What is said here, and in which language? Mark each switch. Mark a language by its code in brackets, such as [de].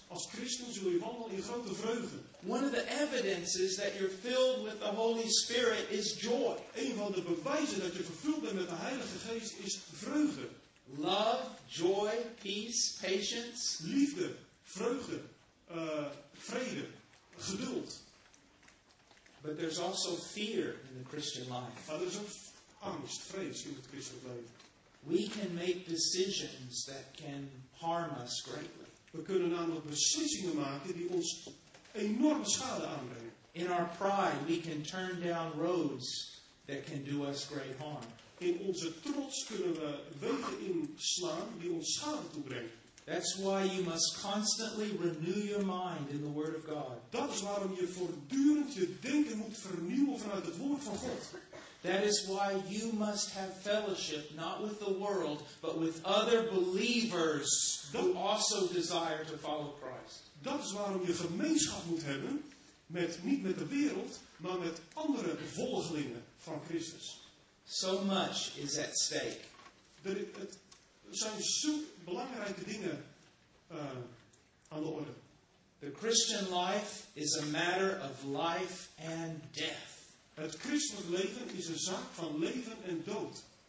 [nl] Als Christen zul je wandelen in grote vreugde. [en] One of the evidences that you're filled with the Holy Spirit is joy. [nl] Een van de bewijzen dat je vervuld bent met de Heilige Geest is vreugde. [en] Love, joy, peace, patience. [nl] Liefde, vreugde, vrede, geduld. [en] But there's also fear in the Christian life. [nl] Maar er is ook angst, vrees in het christelijk leven. [en] We can make decisions that can harm us greatly. [nl] We kunnen namelijk beslissingen maken die ons enorme schade aanbrengen. [en] In our pride we can turn down roads that can do us great harm. [nl] In onze trots kunnen we wegen inslaan die ons schade toebrengen. [en] That's why you must constantly renew your mind in the Word of God. [nl] Dat is waarom je voortdurend je denken moet vernieuwen vanuit het Woord van God. [en] That is why you must have fellowship, not with the world, but with other believers who also desire to follow Christ. [nl] Dat is waarom je gemeenschap moet hebben, niet met de wereld, maar met andere volgelingen van Christus. [en] So much is at stake. [nl] Er zijn zo belangrijke dingen aan de orde. [en] The Christian life is a matter of life and death. [nl] Het christelijk leven is een zaak van leven en dood.